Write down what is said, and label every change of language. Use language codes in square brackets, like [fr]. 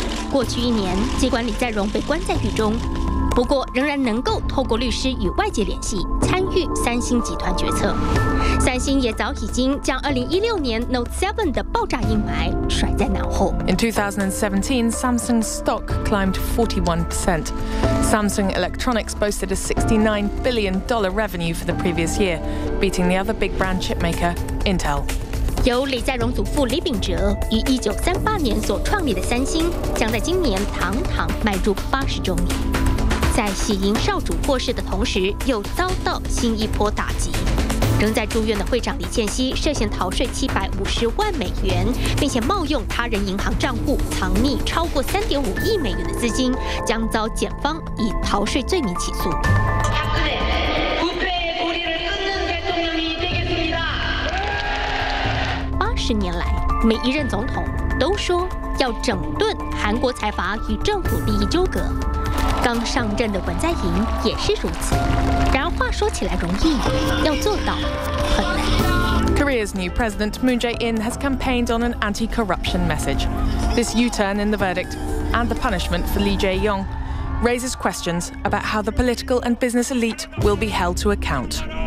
[zh] 过去一年，尽管李在镕被关在狱中，不过仍然能够透过律师与外界联系，参与三星集团决策。三星也早已经将2016年 Note 7的爆炸阴霾甩在脑后。 [en] In 2017, Samsung's stock climbed 41%. Samsung Electronics boasted a $69 billion revenue for the previous year, beating the other big brand chipmaker, Intel. [zh] 由李在镕祖父李秉哲于1938年所创立的三星，将在今年堂堂迈入80周年。在喜迎少主过世的同时，又遭到新一波打击。仍在住院的会长李健熙涉嫌逃税750万美元，并且冒用他人银行账户藏匿超过3.5亿美元的资金，将遭检方以逃税罪名起诉。年来，每一任总统都说要整顿韩国财阀与政府利益纠葛。刚上任的文在寅也是如此。然而，话说起来容易，要做到很难。 [en] Korea's new president Moon Jae-in has campaigned on an anti-corruption message. This U-turn in the verdict and the punishment for Lee Jae-yong raises questions about how the political and business elite will be held to account.